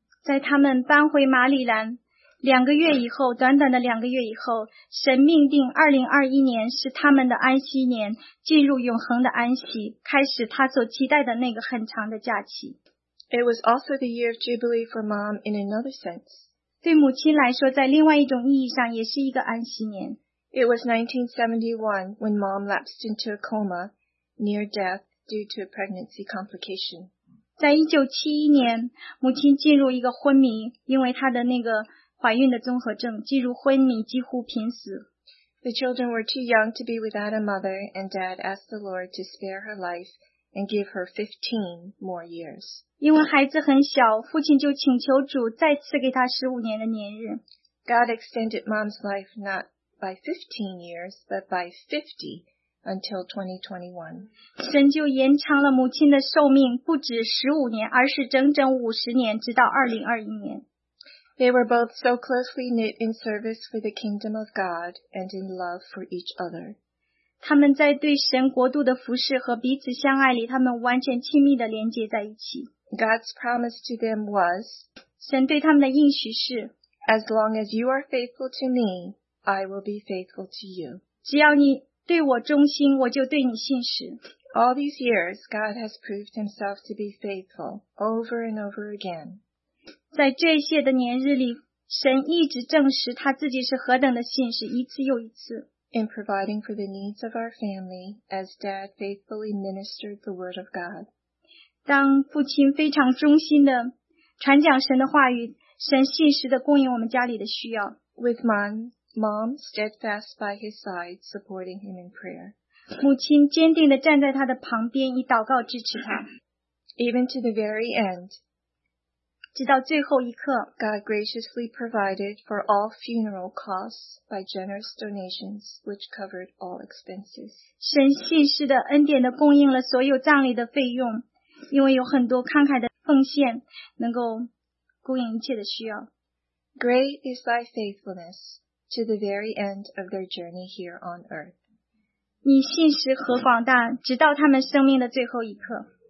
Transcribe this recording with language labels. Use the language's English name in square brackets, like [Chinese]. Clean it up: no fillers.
[Chinese] 在他们搬回马里兰两个月以后，短短的两个月以后，神命定2021年是他们的安息年，进入永恒的安息，开始他所期待的那个很长的假期。 [English] It was also the year of Jubilee for Mom in another sense. [Chinese] 对母亲来说，在另外一种意义上也是一个安息年。 [English] It was 1971 when Mom lapsed into a coma near death due to a pregnancy complication. [Chinese] 在1971年，母亲进入一个昏迷，因为她的那个怀孕的综合症，进入昏迷，几乎濒死。 [English] The children were too young to be without a mother, and Dad asked the Lord to spare her life and give her 15 more years. [Chinese] 因为孩子很小，父亲就请求主再次给她15年的年日。 [English] God extended Mom's life not by 15 years, but by 50 until 2021. [Chinese] 神就延长了母亲的寿命不止15年，而是整整50年，直到2021年。 [English] They were both so closely knit in service for the kingdom of God and in love for each other. [Chinese] 他们在对神国度的服侍和彼此相爱里，他们完全亲密地连接在一起。 [English] God's promise to them was, [Chinese] 神对他们的应许是, [English] As long as you are faithful to me, I will be faithful to you. [Chinese] 只要你对我忠心，我就对你信实。 [English] All these years, God has proved himself to be faithful over and over again. [Chinese] 在这些的年日里, 神一直证实他自己是何等的信实, 一次又一次。 [English] In providing for the needs of our family, as Dad faithfully ministered the Word of God. [Chinese] 当父亲非常忠心地传讲神的话语, 神信实地供应我们家里的需要。 [English] With Mom steadfast by his side, supporting him in prayer. [Chinese] 母亲坚定地站在他的旁边以祷告支持他。 [English] Even to the very end, [Chinese] 直到最后一刻, [English] God graciously provided for all funeral costs by generous donations which covered all expenses. [Chinese] 神信实地恩典地供应了所有葬礼的费用, 因为有很多慷慨的奉献能够供应一切的需要。 [English] Great is thy faithfulness to the very end of their journey here on earth. [Chinese] 你信实何广大, 直到他们生命的最后一刻。